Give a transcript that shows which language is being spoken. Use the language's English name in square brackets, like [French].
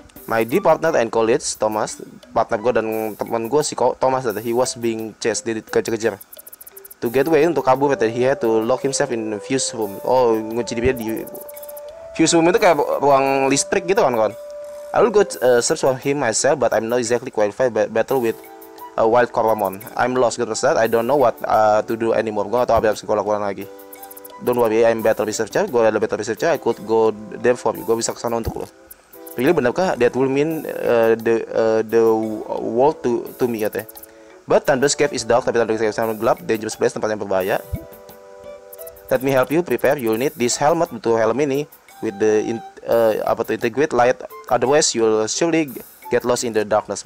[English] My dear partner and college, Thomas. Partner gue dan teman gue, si Thomas, Ate. He was being chased. Dia dikejar-kejar. [Indonesian] To get away, untuk kabur, Ate. He had to lock himself in a fuse room. Oh, ngunci dia di fuse room itu kayak ruang listrik gitu, kawan-kawan. [English] I will go search for him myself, but I'm not exactly qualified to battle with a wild Coromon. I'm lost, gitu, Ate. I don't know what to do anymore. [Indonesian] Gue gak tau apa yang gue lakukan lagi. Don't worry, I'm better researcher. Gue ada better researcher. [English] I could go there for you. Gue bisa kesana untuk lo. Really, benarkah? That will mean the world to me, Ate. But Thunder's Cave is dark, tapi Thunder's Cave is gelap, dangerous place, tempat yang berbahaya. Let me help you prepare, you'll need this helmet, butuh helm ini, with the integrate light, otherwise you'll surely get lost in the darkness.